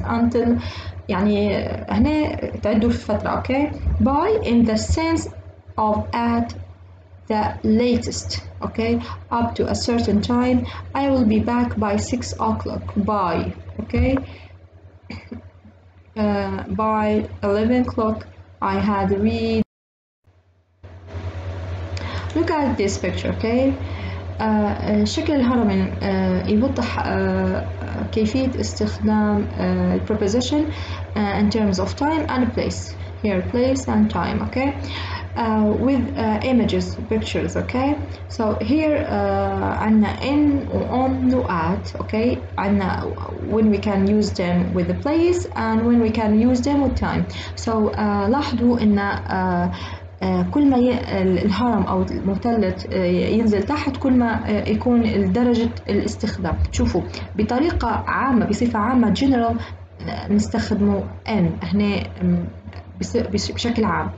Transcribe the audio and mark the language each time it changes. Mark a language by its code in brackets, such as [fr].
[ar] Until, يعني هنا تعدوا في فترة. [en] Okay, by in the sense of at the latest. Okay, up to a certain time. I will be back by 6 o'clock. By. Okay. By 11 o'clock, I had read. Look at this picture, okay? [ar] شكل الهرم يوضح كيفية استخدام [en] preposition in terms of time and place. Here, place and time, okay? With images, pictures, okay? So here, عنا in, on, no at, okay? عنا when we can use them with the place and when we can use them with time. [ar] So لاحظوا إن كل ما الهرم أو المثلث ينزل تحت كل ما يكون درجة الاستخدام. تشوفوا بطريقة عامة بصفة عامة general نستخدمه n هنا بشكل عام.